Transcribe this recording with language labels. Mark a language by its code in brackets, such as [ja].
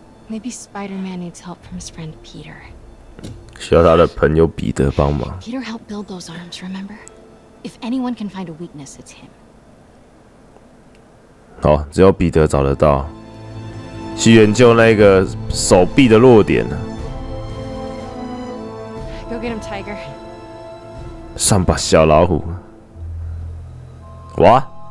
[en] Maybe Spider-Man needs help from his friend Peter. [zh] 需要他的朋友彼得帮忙。 [en] Peter helped build those arms, remember? If anyone can find a weakness, it's him. [zh] 好，只有彼得找得到，去研究那个手臂的弱点。 [en] Go get him, Tiger. [zh] 上吧，小老虎。哇，